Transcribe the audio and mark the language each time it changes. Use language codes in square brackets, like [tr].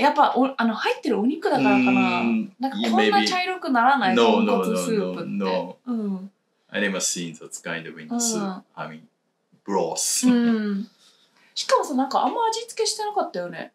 [ja] やっぱお、あの、入ってるお肉だからかな。なんかこんな茶色くならない、 yeah, トンコツスープって。 [en] No. I never seen that kind of in the soup. I mean, broth. [ja] しかもさ、なんかあんま味付けしてなかったよね。